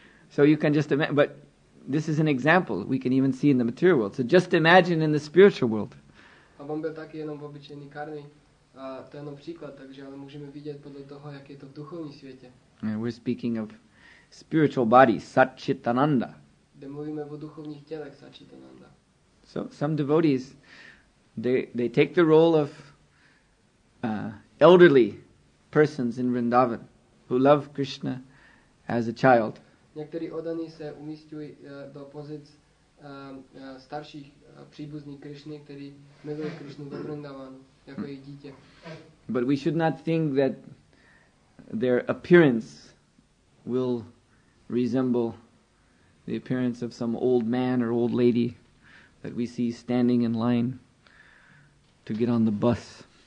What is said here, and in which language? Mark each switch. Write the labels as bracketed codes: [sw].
[en] So you can just imagine, but this is an example we can even see in the material world. So just imagine in the spiritual world. [cs] A on byl taky jenom obyčejný karmi. A to je jenom příklad, takže ale můžeme vidět podle toho, jak je to v duchovním světě. [en] We're speaking of spiritual bodies, Satchitananda. [cs] Mluvíme o duchovních tělech, Satchitananda. [en] So some devotees, they take the role of elderly persons in Vrindavan who love Krishna as a child. [cs] Někteří odaní se umisťují do pozic starších příbuzných Krishny, kteří milují Krishnu ve Vrindavanu jako jejich dítě. [en] But we should not think that their appearance will resemble the appearance of some old man or old lady that we see standing in line to get on the bus.